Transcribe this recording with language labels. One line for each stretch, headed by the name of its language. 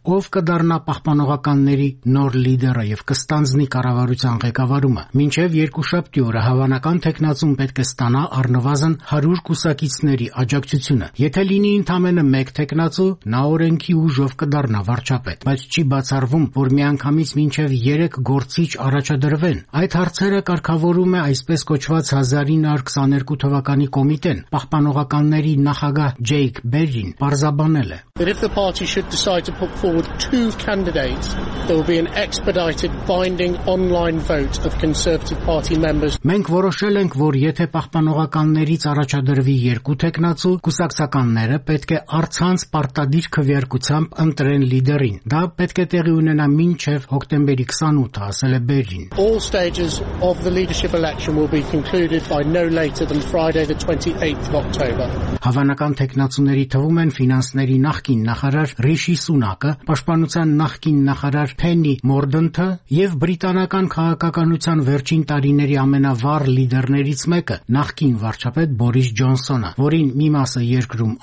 Armenian: ով կդառնա պահպանողականների նոր լիդերը եւ կստանձնի կառավարության ղեկավարումը։ Մինչև 2 շաբթի օրը հավանական թեկնածուն պետք է ստանա առնվազն 100 կուսակիցների աջակցությունը։ Եթե լինի ընդամենը 1 թեկնածու, նա օրենքի ուժով կդառնա վարչապետ, բայց չի բացառվում, որ միանգամից մինչև 3 գործիչ առաջադրվեն։ Այդ հարցերը կարգավորում է այսպես կոչված 1922 թվականի կոմիտեն, պահպանողականների նախագահ Ջեյք Բերրին պարզաբանել է.
English: If the party should decide to put forward 2 candidates, there will be an expedited binding online vote of Conservative Party members.
Armenian: Մենք որոշել ենք, որ եթե պահպանողականներից առաջադրվի 2 թեկնածու, կուսակցականները պետք է առցանց պարտադիր քվեարկությամբ ընտրեն լիդերին։ Դա պետք է տեղի ունենա մինչև հոկտեմբերի 28-ը, ասել է Բերրին.
English: All stages of the leadership election election will be concluded by no later than Friday the 28th of October.
Armenian: Հավանական թեկնածուների թվում են ֆինանսների նախկին նախարար Ռիշի Սունակը, պաշտպանության նախկին նախարար Փենի Մորդընթը եւ բրիտանական քաղաքականության վերջին տարիների ամենավառ լիդերներից մեկը, նախկին վարչապետ Բորիս Ջոնսոնը, որին մի մասը երկրում